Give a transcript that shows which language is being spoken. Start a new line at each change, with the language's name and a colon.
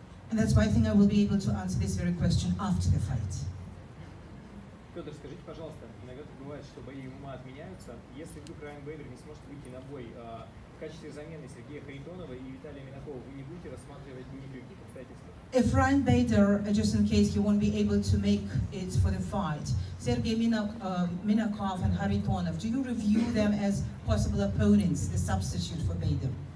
English: And that's why I think I will be able to answer this very question after the fight.
Russian: Федор, скажите, пожалуйста, иногда бывает, что бои ума отменяются. Если вдруг Райан Бейдер не сможет выйти на бой в качестве замены Сергея Харитонова и Виталия Минакова, вы не будете рассматривать ни при каких обстоятельствах?
English: If Ryan Bader, just in case he won't be able to make it for the fight, Sergey Minakov and Haritonov, do you review them as possible opponents, the substitute for Bader?